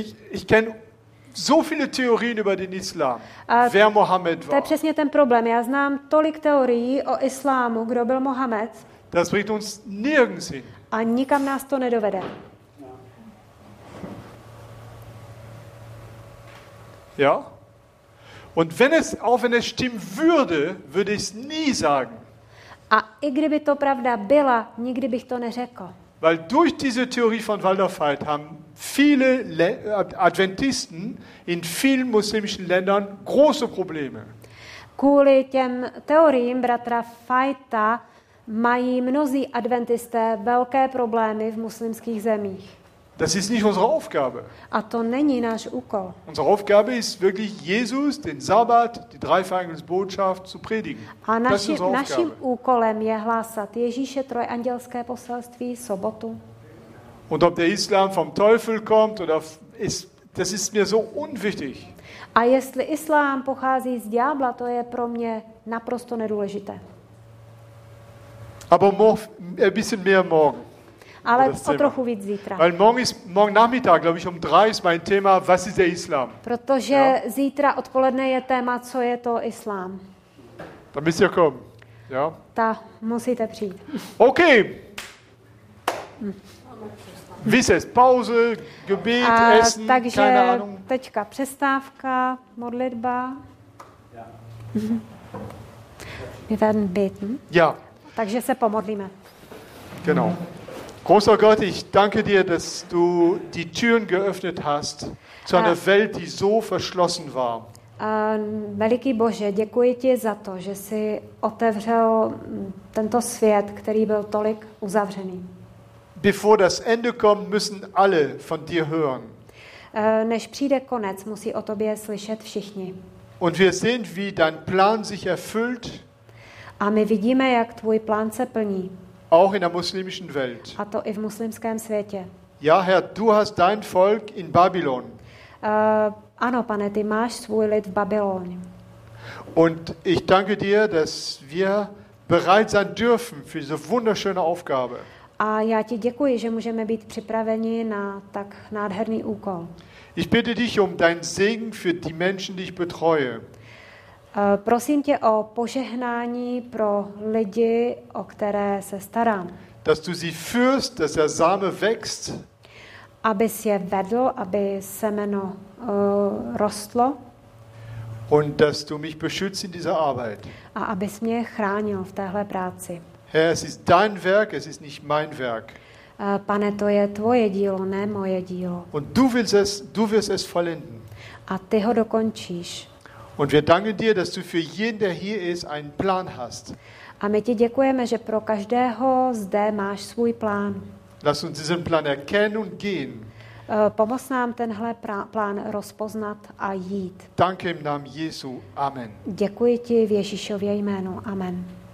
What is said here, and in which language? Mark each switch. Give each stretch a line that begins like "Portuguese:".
German: Ich kenne so viele Theorien über den Islam, wer Mohammed war.
Czech: To je přesně ten problém. Já znám tolik teorií o islámu, kdo byl Mohammed.
German: Das bringt uns nirgends hin.
Czech: A nikam nás to nedovede.
German: Ja? Und wenn es stimmen würde, würde ich es nie sagen.
Czech: A i kdyby to pravda byla, nikdy bych to neřekl.
German: Weil durch diese Theorie von Walter Veit haben viele Adventisten in vielen muslimischen Ländern große Probleme.
Czech: Kvůli těm teoriím bratra Fajta mají mnozí adventisté velké problémy v muslimských zemích.
German: Das ist nicht unsere Aufgabe.
Czech: A to není náš úkol.
German: Unsere Aufgabe ist wirklich Jesus, den Sabbat, die Dreifaltigkeitsbotschaft zu predigen.
Czech: A naším úkolem je hlásat Ježíše trojandělské poselství sobotu.
German: Und ob der Islam vom Teufel kommt oder ist, das ist mir so unwichtig.
Czech: A jestli Islám pochází z ďábla, to je pro mě naprosto nedůležité.
German: Aber ein bisschen mehr morgen.
Czech: Ale o trochu víc zítra.
German: Weil morgen Nachmittag, glaube ich, drei ist mein Thema, was ist der Islam?
Czech: Protože ja? Zítra odpoledne je téma, co je to Islám.
German: Da müsst ihr kommen. Ja?
Czech: Ta musíte přijít. Okay.
German: Wie ist es? Pause, Gebet, Essen, keine Ahnung.
Czech: Takže teďka přestávka, modlitba.
German: Ja. Wir werden beten. Ja.
Czech: Takže se pomodlíme.
German: Genau. Großer Gott, ich danke dir, dass du die Türen geöffnet hast zu einer Welt, die so verschlossen war.
Czech: Veliký Bože, děkuji ti za to, že jsi otevřel tento svět, který byl tolik uzavřený.
German: Bevor das Ende kommt, müssen alle von dir hören.
Czech: Než přijde konec, musí o tobě slyšet všichni.
German: Und wir sehen, wie dein Plan sich erfüllt.
Czech: A my vidíme, jak tvůj plán se plní.
German: Auch in der muslimischen Welt.
Czech: A to i v muslimském světě.
German: Ja, Herr, du hast dein Volk in Babylon.
Czech: Ano, pane, ty máš svůj lid v Babyloně.
German: Und ich danke dir, dass wir bereit sein dürfen für diese wunderschöne Aufgabe.
Czech: A já ti děkuji, že můžeme být připraveni na tak nádherný úkol.
German: Ich bitte dich um deinen Segen für die Menschen, die ich betreue.
Czech: Prosím tě o požehnání pro lidi, o které se starám.
German: Dass du sie führst, dass der Same wächst.
Czech: Abys je vedl, aby semeno rostlo.
German: Und dass du mich beschützt in dieser Arbeit.
Czech: A abys mě chránil v téhle práci.
German: Herr, es ist dein Werk, es ist nicht mein Werk.
Czech: Pane, to je tvoje dílo, ne moje dílo.
German: Und du wirst es vollenden.
Czech: A ty ho dokončíš.
German: Und wir danken dir, dass du für jeden, der hier ist, einen Plan hast.
Czech: A my ti děkujeme, že pro každého zde máš svůj plán.
German: Lass uns diesen Plan erkennen und gehen.
Czech: Pomoz nám tenhle plán rozpoznat a jít.
German: Danke im Namen Jesu. Amen.
Czech: Děkuji ti v Ježíšově jménu. Amen.